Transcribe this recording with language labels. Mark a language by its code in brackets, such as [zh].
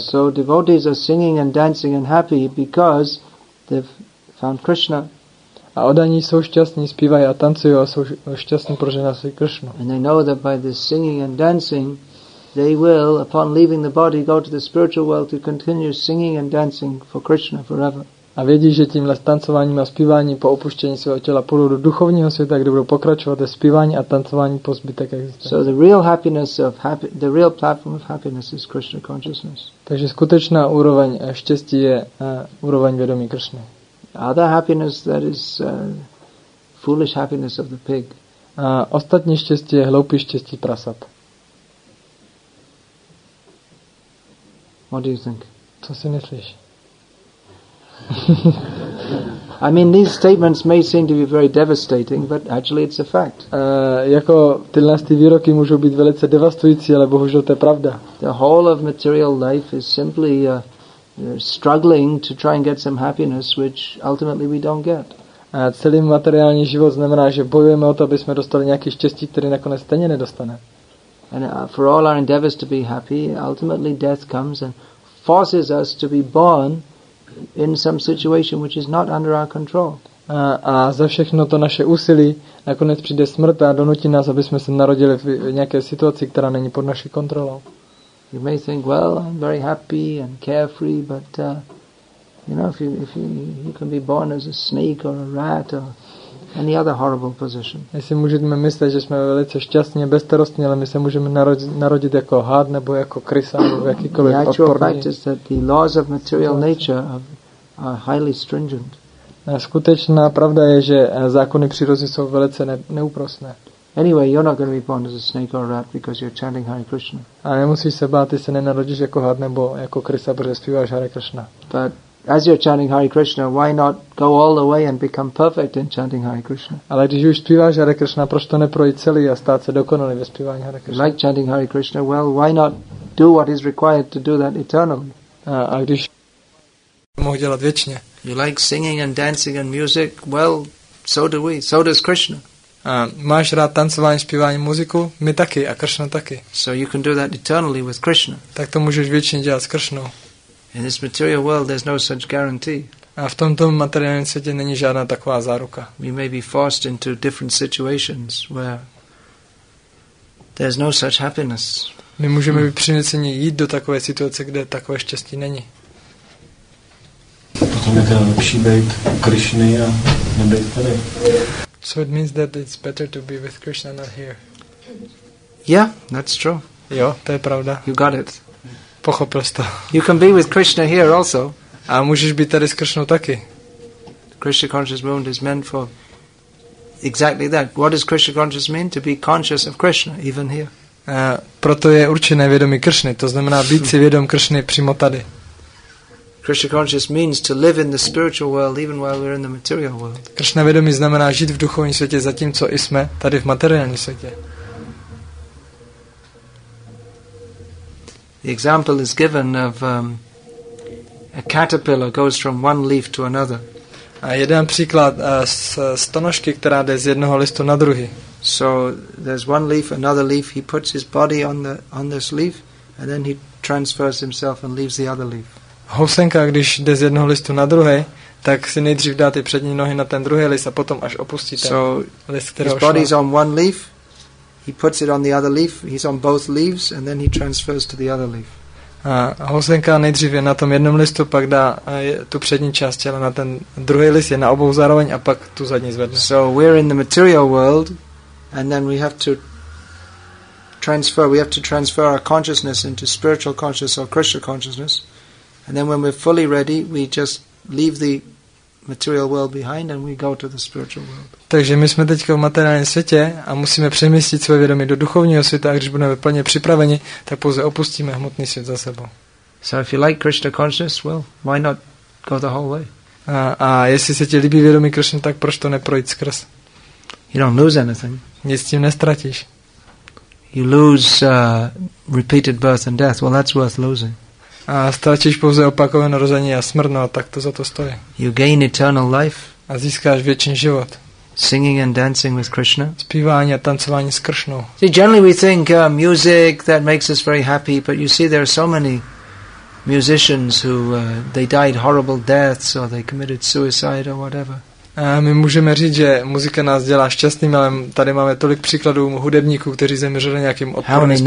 [en] So devotees are singing and dancing and happy because they've found Krishna. [cs] A oddaní jsou šťastní, zpívají a tancují a jsou šťastní, protože našli Krishnu. [en] And they know that by this singing and dancing, they will, upon leaving the body, go to the spiritual world to continue singing and dancing for Krishna forever. [cs] A vědí, že tímhle tancováním a zpíváním po opuštění svého těla půjdou do duchovního světa, kde budou pokračovat ve zpívání a tancování po zbytek existence. [en] So the real happiness of the real platform of happiness is Krishna consciousness. [cs] Takže skutečná úroveň štěstí je úroveň vědomí Krishny. [en] Other happiness, that is foolish happiness of the pig. [cs] A ostatní štěstí je hloupý štěstí prasat. [en] What do you think? [cs] Co si myslíš? [en] I mean, these statements may seem to be very devastating, but actually it's a fact. [cs] Jako tyhle ty výroky můžou být velice devastující, ale bohužel to je pravda. [en] The whole of material life is simply struggling to try and get some happiness, which ultimately we don't get. [cs] Celý materiální život znamená, že bojujeme o to, aby jsme dostali nějaký štěstí, které nakonec stejně nedostane. [en] And for all our endeavors to be happy, ultimately death comes and forces us to be born in some situation which is not under our control. [cs] A za všechno to naše úsilí nakonec přijde smrt a donutí nás, aby jsme se narodili v nějaké situaci, která není pod naší kontrolou. [en] You may think, well, I'm very happy and carefree, but if you can be born as a snake or a rat or any other horrible position. [cs] My si můžeme myslet, že jsme velice šťastní, bezstarostní, ale my se můžeme narodit jako had nebo jako krysa nebo jakýkoliv odporný. [en] The actual fact is that the laws of material nature are highly stringent. [cs] Skutečná pravda je, že zákony přírody jsou velice neúprosné. [en] Anyway, you're not going to be born as a snake or a rat because you're chanting Hare Krishna. [cs] A nemusíš se bát, ty se nenarodíš jako had nebo jako krysa, protože zpíváš Hare Krishna. [en] But as you're chanting Hare Krishna, why not go all the way and become perfect in chanting Hare Krishna? [cs] Ale když už zpíváš Hare Krishna, proč to neprojít celý a stát se dokonalý ve zpívání Hare Krishna? [en] Like chanting Hare Krishna, well, why not do what is required to do that eternally? [cs] A když mohu dělat věčně. [en] You like singing and dancing and music, well, so do we, so does Krishna. [cs] Máš rád tancování, zpívání, muziku? My taky a Krishna taky. [en] So you can do that eternally with Krishna. [cs] Tak to můžeš věčně dělat s Krishnou. [en] In this material world, there's no such guarantee. [cs] A v tomto materiálním světě není žádná taková záruka. [en] We may be forced into different situations where there's no such happiness. [cs] My můžeme být přinuceni jít do takové situace, kde takové štěstí není. Potom je teda lepší být u Krishny a nebejt tady. [en] So it means that it's better to be with Krishna not here. Yeah, that's true. [cs] Jo, to je pravda. [en] You got it. [cs] Pochopil jsi to. [en] You can be with Krishna here also. [cs] A můžeš být tady s Krishnou taky. [en] Krishna conscious movement is meant for exactly that. What does Krishna conscious mean? To be conscious of Krishna, even here. [cs] Proto je určené vědomí Kršny, to znamená být si vědom Kršny přímo tady. [en] Krishna conscious means to live in the spiritual world even while we're in the material world. [cs] Krishna vědomí znamená žít v duchovním světě zatímco i jsme tady v materiálním světě. [en] The example is given of a caterpillar goes from one leaf to another. [cs] A jeden příklad z stonožky, která jde z jednoho listu na druhý. [en] So there's one leaf, another leaf, he puts his body on this leaf and then he transfers himself and leaves the other leaf. [cs] Housenka, když jde z jednoho listu na druhý, tak si nejdřív dá ty přední nohy na ten druhý list a potom až opustí ten [en] so [cs] list, kterého šla. [en] His body's on one leaf, he puts it on the other leaf, he's on both leaves and then he transfers to the other leaf. [cs] A housenka nejdřív je na tom jednom listu, pak dá tu přední část těla na ten druhý list, je na obou zároveň a pak tu zadní zvedne. [en] So we're in the material world and then we have to transfer, we have to transfer our consciousness into spiritual consciousness or Krishna consciousness. And then when we're fully ready, we just leave the material world behind and we go to the spiritual world. [cs] Takže my jsme teďka v materiálním světě a musíme přemístit své vědomí do duchovního světa, a když budeme plně připraveni, tak pouze opustíme hmotný svět za sebou. [en] So if you like Krishna consciousness, well, why not go the whole way? [cs] A jestli se ti líbí vědomí Krishna, tak proč to neprojít skrz? [en] You don't lose anything. [cs] Nic tím nestratíš. [en] You lose repeated birth and death. Well, that's worth losing. [cs] A ztratíš pouze opakované narození a smrt, no a tak to za to stojí. [en] You gain eternal life. [cs] A získáš věčný život. [en] Singing and dancing with Krishna. [cs] Zpívání a tancování s Kršnou. [en] See, generally we think music that makes us very happy, but you see there are so many musicians who they died horrible deaths or they committed suicide or whatever. [cs] A my můžeme říct, že muzika nás dělá šťastným, ale tady máme tolik příkladů hudebníků, kteří zemřeli nějakým odporným způsobem.